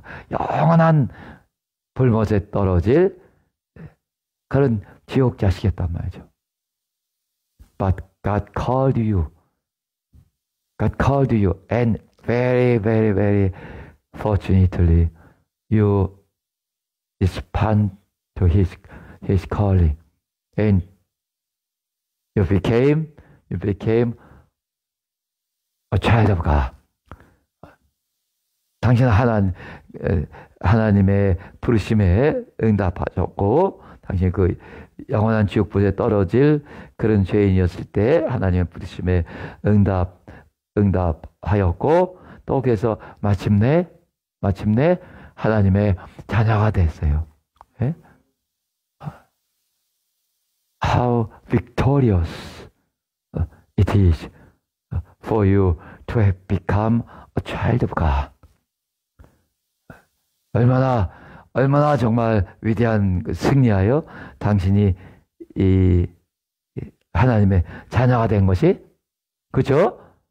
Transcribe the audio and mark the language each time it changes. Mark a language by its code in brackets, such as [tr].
[ko] 영원한 불못에 떨어질 그런 지옥 자식이었단 말이죠. [en] But God called you. God called you and very fortunately you respond to his calling and you became a child of God. [ko] 당신은 하나님의 부르심에 응답하셨고 당신 그 영원한 지옥불에 떨어질 그런 죄인이었을 때 하나님의 부르심에 응답하였고 또 그래서 마침내 하나님의 자녀가 됐어요. 네? [en] How victorious it is for you to have become a child of God. [ko] 얼마나 정말 위대한 승리하여 당신이 이 하나님의 자녀가 된 것이 그죠?